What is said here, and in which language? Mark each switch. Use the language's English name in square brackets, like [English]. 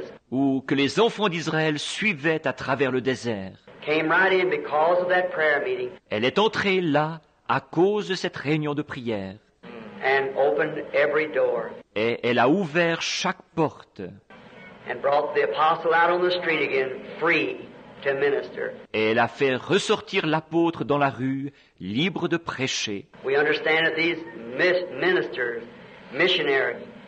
[French] Ou que les enfants d'Israël suivaient à travers le désert. [English] Came right in because of that prayer meeting. [French] Elle est entrée là à cause de cette réunion de prière. [English] And opened every door. [French] Et elle a ouvert chaque porte. [English] And brought the apostle out on the street again, free to minister. [French] Et elle a fait ressortir l'apôtre dans la rue, libre de prêcher. [English] We understand that these ministers, missionaries,